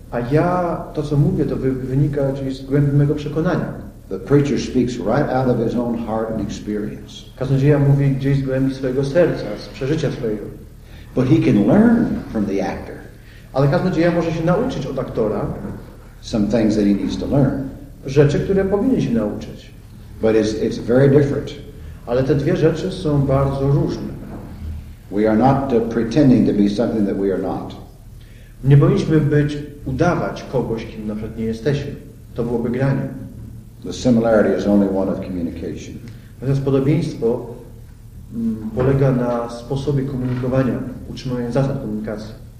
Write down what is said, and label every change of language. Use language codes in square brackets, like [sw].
[pl] A ja to, co mówię, to wynika z głębi mojego przekonania. [en] The preacher speaks right out of his own heart and experience. [pl] Kaznodzieja mówi gdzieś z głębi swojego serca, z przeżycia swojego. [en] But he can learn from the actor. [pl] Ale kaznodzieja może się nauczyć od aktora. [en] Some things that he needs to learn. [pl] Rzeczy, które powinien się nauczyć. [en] But it's very different. [pl] Ale te dwie rzeczy są bardzo różne. [en] We are not pretending to be something that we are not. [pl] Nie powinniśmy być udawać kogoś, kim na przykład nie jesteśmy. To byłoby granie. [en] The similarity is only one of communication. [pl] Natomiast podobieństwo polega na sposobie komunikowania, utrzymywania zasad komunikacji.